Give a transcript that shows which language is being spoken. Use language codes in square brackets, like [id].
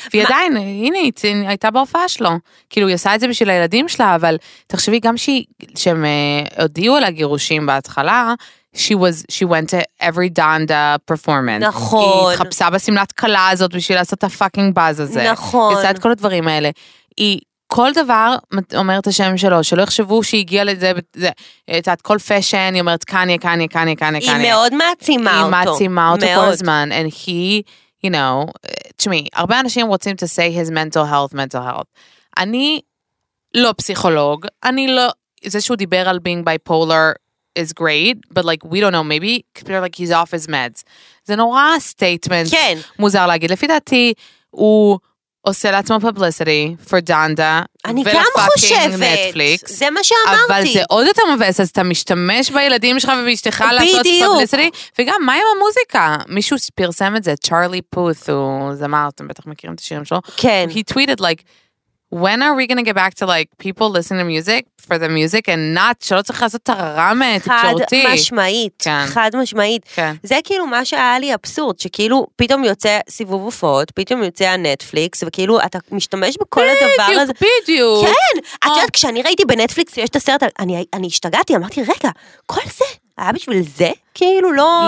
[he] והיא עדיין, הנה, היא הייתה בהופעה שלו. כאילו, היא עושה את זה בשביל הילדים שלה, אבל תחשבי גם שהם הודיעו על הגירושים בהתחלה, [en] she went to every Donda performance. [he] נכון. היא התחפשה בסמלת קלה הזאת בשביל לעשות את הפאקינג באז הזה. נכון. היא עושה את כל הדברים האלה. היא... כל דבר אומר את השם שלו, שלא יחשבו שהיא הגיעה לזה, את יודעת, כל פשן, היא אומרת, קניה, קניה, קניה, קניה, קניה. היא מאוד מעצימה אותו. היא מעצימה אותו כל הזמן. [en] And he, you know, [he] תשמעי, הרבה אנשים רוצים [en] to say his mental health, mental health. [he] אני לא פסיכולוג, אני לא, זה שהוא דיבר על [en] being bipolar is great, but like, we don't know, maybe, compared like he's off his meds. [he] זה נורא statement מוזר להגיד. לפי דעתי, הוא... עושה לעצמו [en] publicity for Donda [he] ולפאקינג נטפליקס. זה מה שאמרתי. אבל זה עוד יותר מבאס, אז אתה משתמש בילדים שלך ובאשתך לעשות publicity. וגם, מה עם המוזיקה? מישהו פרסם את זה, צ'רלי פות', הוא זמר, אתם בטח מכירים את השירים שלו. כן. [en] He tweeted like, when are we going to get back to like people listening to music for the music and not, [he] שלא צריך לעשות תרמה תקשורתי. חד משמעית. כן. חד משמעית. כן. זה כאילו מה שהיה לי אבסורד, שכאילו פתאום יוצא סיבוב הופעות, פתאום יוצא הנטפליקס, וכאילו אתה משתמש בכל הדבר הזה. בדיוק. כן. את יודעת, כשאני ראיתי בנטפליקס ויש את הסרט, אני השתגעתי, אמרתי, רגע, כל זה היה בשביל זה? כאילו לא...